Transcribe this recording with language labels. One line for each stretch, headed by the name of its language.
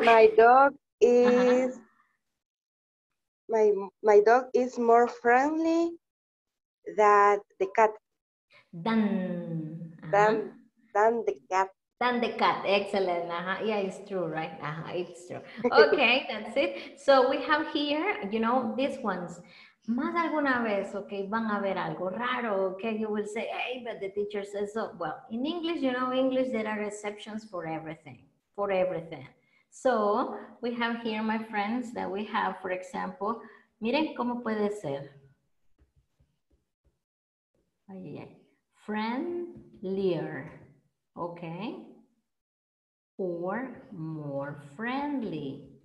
English: My dog is my dog is more friendly than the cat. Than the cat. Excellent. Uh-huh. Yeah, it's true, right? Uh-huh. It's true. Okay, that's it. So we have here, you know, these ones.
Spanish: Más alguna vez, okay, van a ver algo raro, okay?
English: You will say, hey, but the teacher says so. Well, in English, you know, English, there are exceptions for everything. For everything. So we have here, my friends, that we have, for example, miren cómo puede ser. Ay, ay, ay. Friendlier, okay, or more friendly.